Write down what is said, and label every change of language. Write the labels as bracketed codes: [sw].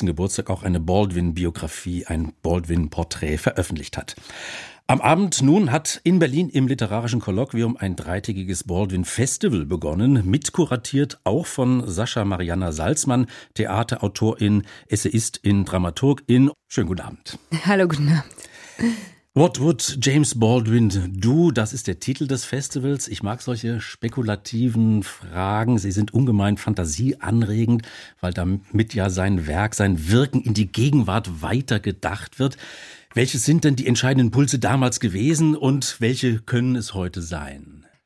[de] Geburtstag auch eine Baldwin-Biografie, ein Baldwin-Porträt veröffentlicht hat. Am Abend nun hat in Berlin im Literarischen Kolloquium ein dreitägiges Baldwin-Festival begonnen, mitkuratiert auch von Sascha Mariana Salzmann, Theaterautorin, Essayistin, Dramaturgin. Schönen guten Abend. Hallo, guten Abend. [en] What would James Baldwin do? [de] Das ist der Titel des Festivals. Ich mag solche spekulativen Fragen. Sie sind ungemein fantasieanregend, weil damit ja sein Werk, sein Wirken in die Gegenwart weitergedacht wird. Welches sind denn die entscheidenden Impulse damals gewesen und welche können es heute sein?